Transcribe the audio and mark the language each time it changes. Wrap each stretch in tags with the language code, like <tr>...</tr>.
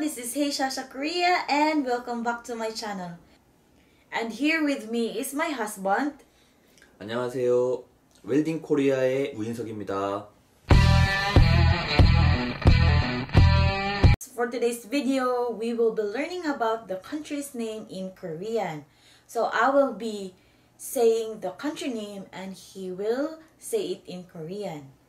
<en>This is Hey Shasha Korea and welcome back to my channel. And here with me is my husband.</en> <ko>안녕하세요. 웰딩 코리아의 우인석입니다.</ko> <en>For today's video, we will be learning about the country's name in Korean. So I will be saying the country name and he will say it in Korean.</en>